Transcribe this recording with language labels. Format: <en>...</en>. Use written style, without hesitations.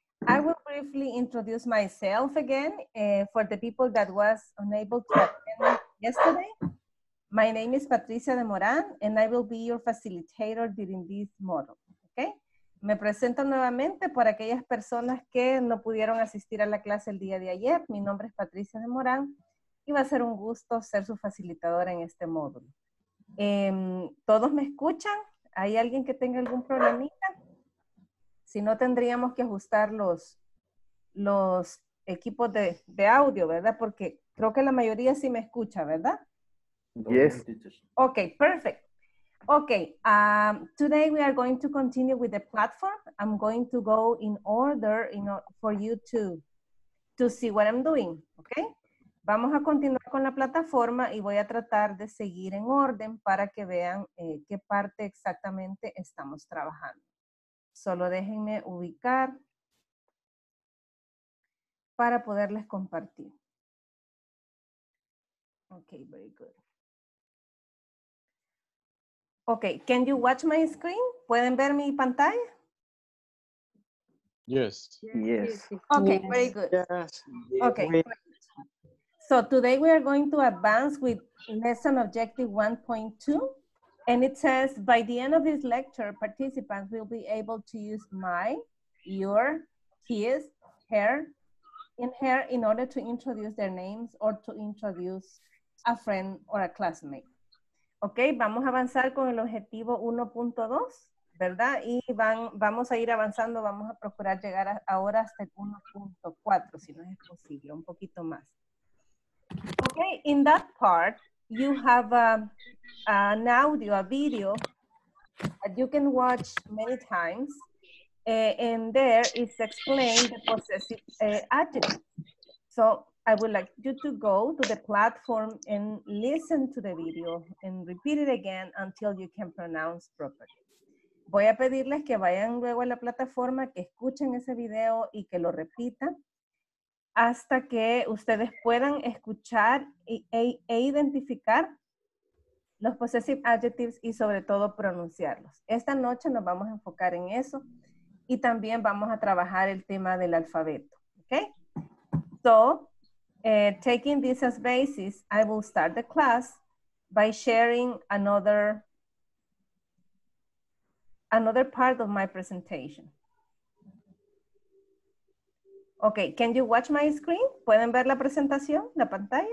<en>I will briefly introduce myself again for the people that was unable to attend yesterday. My name is Patricia de Morán, and I will be your facilitator during this module. Okay?</en> <es>Me presento nuevamente por aquellas personas que no pudieron asistir a la clase el día de ayer. Mi nombre es Patricia de Morán y va a ser un gusto ser su facilitadora en este módulo. ¿Todos me escuchan? ¿Hay alguien que tenga algún problemita? Si no, tendríamos que ajustar los equipos de audio, ¿verdad? Porque creo que la mayoría sí me escucha, ¿verdad?</es> <en>Yes. Okay, perfect. Okay, today we are going to continue with the platform. I'm going to go in order for you to see what I'm doing, okay?</en> <es>Vamos a continuar con la plataforma y voy a tratar de seguir en orden para que vean qué parte exactamente estamos trabajando. Solo déjenme ubicar para poderles compartir.</es> <en>Okay, very good. Okay, can you watch my screen?</en> <es>¿Pueden ver mi pantalla?</es> <en>Yes. Yes. Yes. Okay, yes. Very good. Yes. Okay. Yes. So today we are going to advance with lesson objective 1.2. And it says, by the end of this lecture, participants will be able to use my, your, his, her, and her in order to introduce their names or to introduce a friend or a classmate.</en> <es>Ok, vamos a avanzar con el objetivo 1.2, ¿verdad? Y vamos a ir avanzando, vamos a procurar llegar ahora hasta el 1.4, si no es posible, un poquito más.</es> <en>Ok, in that part, you have an audio, a video, that you can watch many times, and there is explained the possessive adjective. So, I would like you to go to the platform and listen to the video and repeat it again until you can pronounce properly.</en> <es>Voy a pedirles que vayan luego a la plataforma, que escuchen ese video y que lo repitan hasta que ustedes puedan escuchar e identificar los possessive adjectives y sobre todo pronunciarlos. Esta noche nos vamos a enfocar en eso y también vamos a trabajar el tema del alfabeto.</es> <en>Okay? So, taking this as basis, I will start the class by sharing another part of my presentation. Okay, can you watch my screen?</en> <es>¿Pueden ver la presentación, la pantalla?</es>